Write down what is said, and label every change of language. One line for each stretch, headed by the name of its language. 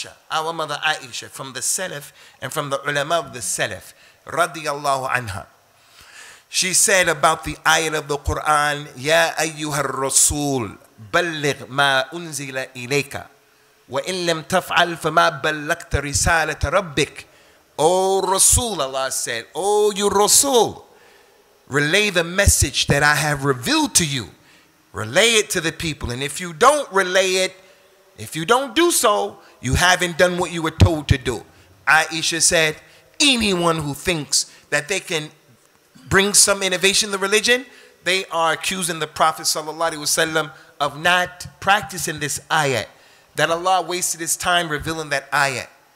English: Our mother Aisha from the Salaf and from the ulama of the Salaf, radiallahu anha. She said about the ayat of the Quran, Ya ayyuhar rasul.
Arabic: بلغ ما أنزل إليك وإن لم تفعل فما بلغت رسالة ربك.
English: O Rasul, Allah said, O you Rasul, relay the message that I have revealed to you. Relay it to the people. And if you don't relay it, if you don't do so, you haven't done what you were told to do. Aisha said, anyone who thinks that they can bring some innovation to religion, they are accusing the Prophet sallallahu alaihi wasallam of not practicing this ayat, that Allah wasted his time revealing that ayat.